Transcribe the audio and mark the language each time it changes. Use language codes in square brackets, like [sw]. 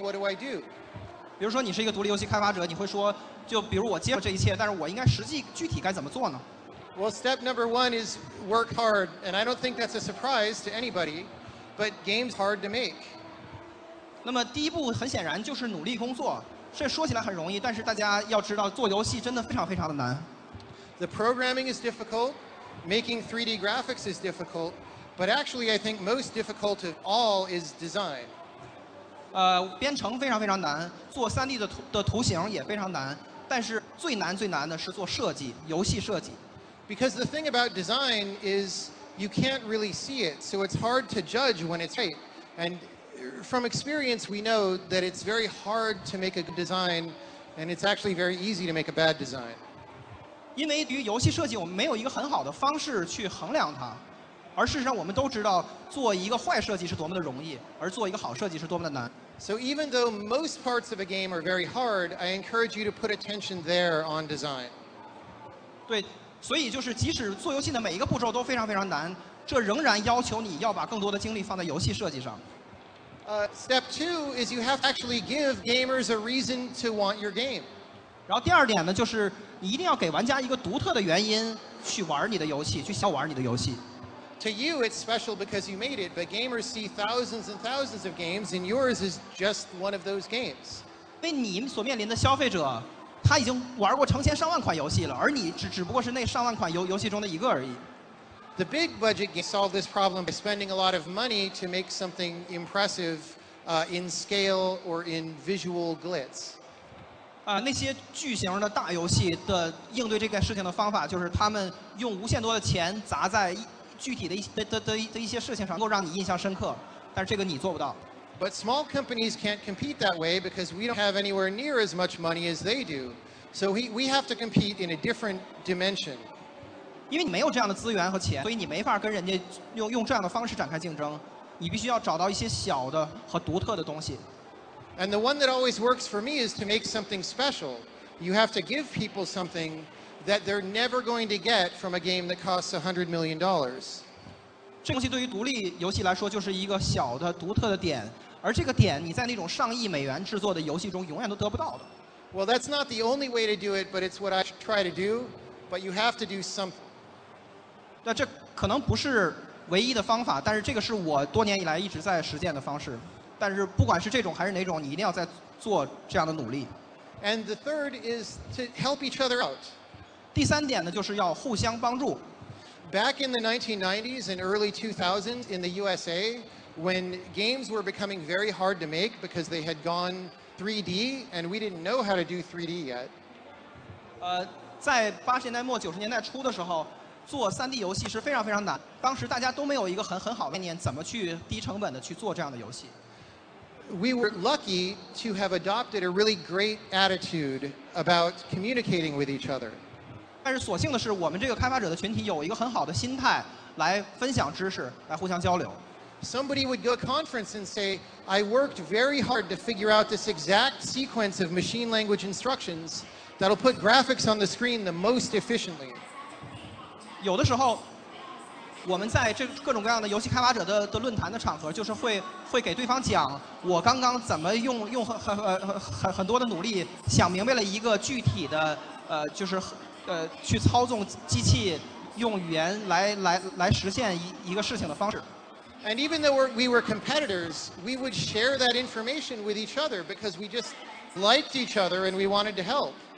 [en] What do I do? [zh] 比如说你是一个独立游戏开发者，你会说，就比如我接受这一切，但是我应该实际具体该怎么做呢？ [en] Well, step number one is work hard, and I don't think that's a surprise to anybody, but games hard to make. [zh] 那么第一步很显然就是努力工作。这说起来很容易，但是大家要知道，做游戏真的非常非常的难。 [en] The programming is difficult, making 3D graphics is difficult, but actually I think most difficult of all is design. [zh] 编程非常非常难，做 3D 的图形也非常难，但是最难最难的是做设计，游戏设计。 [en] Because the thing about design is you can't really see it, so it's hard to judge when it's right. AndFrom experience, we know that it's very hard to make a good design, and it's actually very easy to make a bad design. [zh] 因为对于游戏设计，我们没有一个很好的方式去衡量它，而事实上，我们都知道做一个坏设计是多么的容易，而做一个好设计是多么的难。 [en] So even though most parts of a game are very hard, I encourage you to put attention there on design. [zh] 对，所以就是即使做游戏的每一个步骤都非常非常难，这仍然要求你要把更多的精力放在游戏设计上。 [en] Step two is you have to actually give gamers a reason to want your game. [zh] 然后第二点呢，就是你一定要给玩家一个独特的原因去玩你的游戏，去想玩你的游戏。 [en] To you, it's special because you made it, but gamers see thousands and thousands of games, and yours is just one of those games. [zh] 为你所面临的消费者，他已经玩过成千上万款游戏了，而你只不过是那上万款游戏中的一个而已。 [en] The big budget game solved this problem by spending a lot of money to make something impressive, in scale or in visual glitz. [zh] 那些巨型的大游戏的应对这个事情的方法，就是他们用无限多的钱砸在具体的一些事情上，能够让你印象深刻，但是这个你做不到。 [en] But small companies can't compete that way because we don't have anywhere near as much money as they do. So we have to compete in a different dimension. [zh] 因为你没有这样的资源和钱，所以你没法跟人家用这样的方式展开竞争。你必须要找到一些小的和独特的东西。 [en] And the one that always works for me is to make something special. You have to give people something that they're never going to get from a game that costs $100 million. [zh] 这东西对于独立游戏来说就是一个小的独特的点，而这个点你在那种上亿美元制作的游戏中永远都得不到的。 [en] Well, that's not the only way to do it, but it's what I try to do. But you have to do something. [zh] 那这可能不是唯一的方法，但是这个是我多年以来一直在实践的方式。但是不管是这种还是哪种，你一定要在做这样的努力。 [en] And the third is to help each other out. [zh] 第三点呢，就是要互相帮助。 [en] Back in the 1990s and early 2000s in the USA, when games were becoming very hard to make because they had gone 3D and we didn't know how to do 3D yet. [zh] 在八十年代末九十年代初的时候，做 3D 游戏是非常非常难。当时大家都没有一个很好的概念，怎么去低成本的去做这样的游戏。 [en] We were lucky to have adopted a really great attitude about communicating with each other. [zh] 但是所幸的是，我们这个开发者的群体有一个很好的心态来分享知识，来互相交流。 [en] Somebody would go to a conference and say, I worked very hard to figure out this exact sequence of machine language instructions that'll put graphics on the screen the most efficiently. [zh] 有的时候我们在这各种各样的游戏开发者 的论坛的场合，就是 会给对方讲我刚刚怎么 用 很多的努力想明白了一个具体的就是去操纵机器用语言 来实现 一个事情的方式。 [en] And even though we were competitors, we would share that information with each other because we just liked each other and we wanted to help.